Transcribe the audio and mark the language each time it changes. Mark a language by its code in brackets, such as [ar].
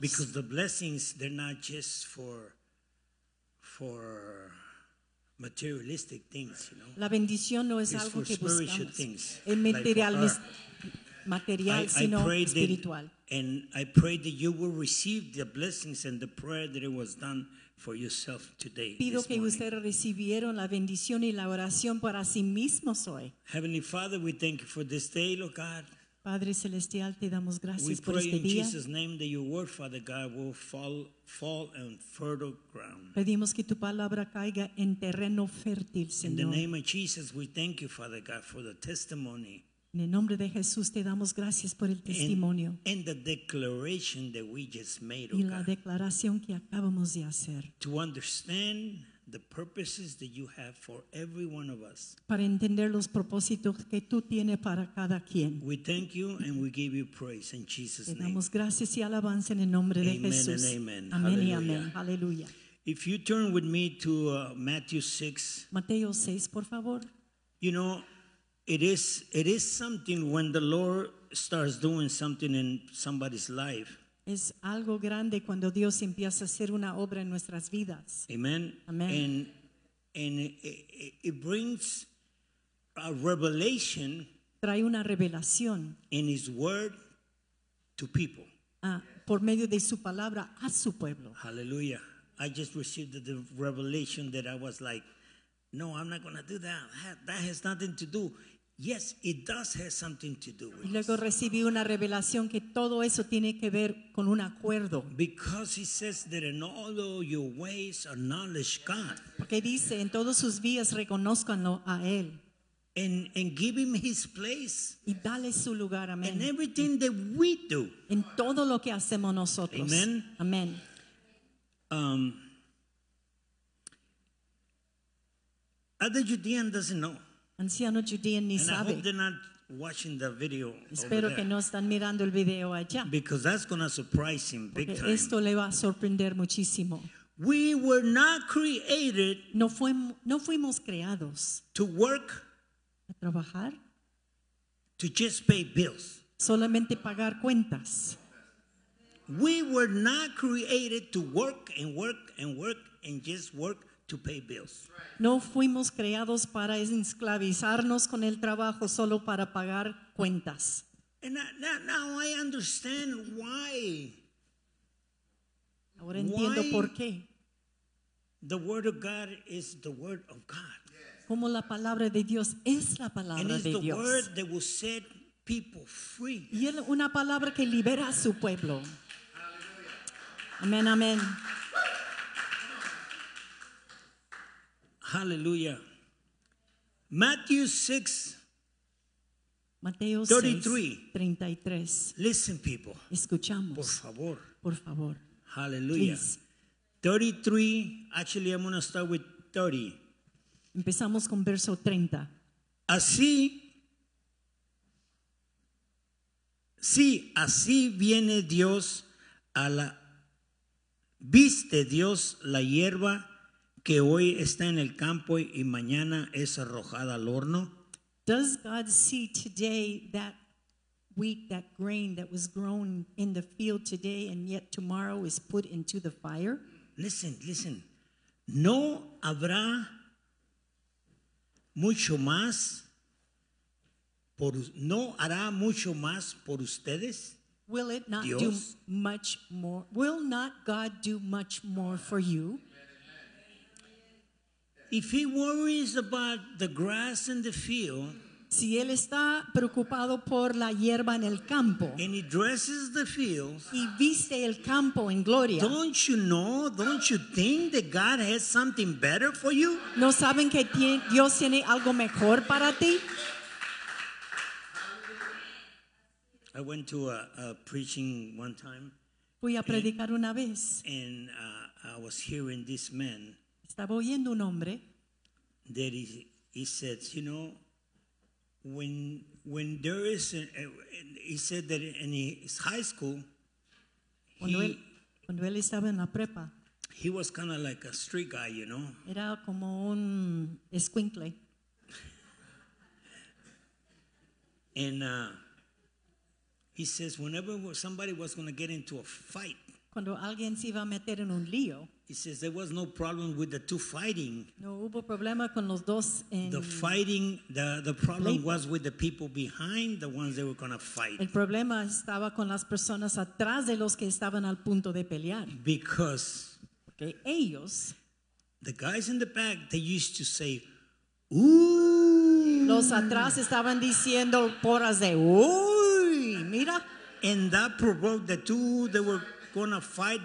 [en] Because the blessings, they're not just for materialistic things, you know. [es] La bendición no es algo que buscamos. [en] It's for spiritual things. [es] Material, sino espiritual. [en] And I pray that you will receive the blessings and the prayer that it was done for yourself today. [es] Pido que ustedes recibieron la bendición y la oración para sí mismos hoy. [en] Heavenly Father, we thank you for this day, Lord God. [es] Padre celestial, te damos gracias por este día. [en] We pray in Jesus' name that your word, Father God, will fall on fertile ground. [es] Pedimos que tu palabra caiga en terreno fértil, Señor. [en] In the name of Jesus, we thank you, Father God, for the testimony. [es] En el nombre de Jesús te damos gracias por el testimonio. [en] And the declaration that we just made, [es] y la declaración que acabamos de hacer. [en] To understand the purposes that you have for every one of us. [es] Para entender los propósitos que tú tienes para cada quien. [en] We thank you and we give you praise in Jesus' name. [es] Te damos gracias y alabanza en el nombre de Jesús. [en] Amen and amen. [es] Amén. Aleluya. [en] If you turn with me to Matthew 6. [es] Mateo 6, por favor. [en] You know, It is something when the Lord starts doing something in somebody's life. [es] Es algo grande cuando Dios empieza a hacer una obra en nuestras vidas. [en] Amen. [es] Amen. [en] And it brings a revelation. [es] Trae una revelación. [en] In His Word to people. [es] Por medio de su palabra a su pueblo. [en] Hallelujah! I just received the revelation that I was like, no, I'm not going to do that. That has nothing to do. Yes, it does have something to do with. [es] Y luego recibí una revelación que todo eso tiene que ver con un acuerdo. [en] Because he says that in all your ways acknowledge God. [es] Porque dice en todos sus vías reconózcanlo a él. [en] And give him his place. [es] Y dale su lugar, amen. [en] And everything that we do. [es] En todo lo que hacemos nosotros. [en] Amen. [es] Amen. [en] Other Judean doesn't know. [es] Anciano Judean ni sabe. [en] And I hope they're not watching the video. [es] Espero que no están mirando el video allá. [en] Because that's going to surprise him big time. [es] Esto le va a sorprender muchísimo. [en] We were not created. [es] No fuimos creados. [en] To work. [es] A trabajar. [en] To just pay bills. [es] Solamente pagar cuentas. [en] We were not created to work and work and work and just work. To pay bills. [es] No fuimos creados para esclavizarnos con el trabajo solo para pagar cuentas. [en] And now I understand why. [es] Ahora entiendo por qué. [en] The word of God is the word of God. [es] Como la palabra de Dios es la palabra de Dios. [en] And it's the word that will set people free. [es] Y es una palabra que libera a su pueblo. [en] Amen, amen. Hallelujah. Matthew 6, [es] Mateo [en] 33. [es] 6:33. [en] Listen, people. [es] Escuchamos. Por favor. Por favor. [en] Hallelujah. Please. 33. Actually, I'm going to start with 30. [es] Empezamos con verso 30. Así viene Dios a la. Viste Dios la hierba que hoy está en el campo y mañana es arrojada al horno. [en] Does God see today that wheat, that grain that was grown in the field today and yet tomorrow is put into the fire? Listen. [es] No habrá mucho más por no hará mucho más por ustedes. [en] Will it not Dios? Do much more? Will not God do much more for you? If he worries about the grass in the field, [es] si él está preocupado por la hierba en el campo, [en] and he dresses the fields, [es] y viste el campo en gloria, [en] don't you know? Don't you think that God has something better for you? [es] No saben que Dios tiene algo mejor para ti. [en] I went to a preaching one time. [es] Fui a predicar una vez. [en] And I was hearing this man. [es] Estaba oyendo un hombre [en] that He says, you know, when there is, he said that in his high school, [es] cuando él estaba en la prepa, [en] he was kind of like a street guy, you know. [es] Era como un escuincle. [en] And he says, whenever somebody was going to get into a fight, [es] cuando alguien se iba a meter en un lío, [en] he says there was no problem with the two fighting. [es] No hubo problema con los dos en [en] the fighting. The problem [es] pleito. [en] Was with the people behind the ones they were going to fight. [es] El problema estaba con las personas atrás de los que estaban al punto de pelear. [en] Because [es] okay, ellos, [en] the guys in the back, they used to say, "Uy." [es] Los atrás estaban diciendo porras de "Uy, mira." [en] And that provoked the two that were going to fight.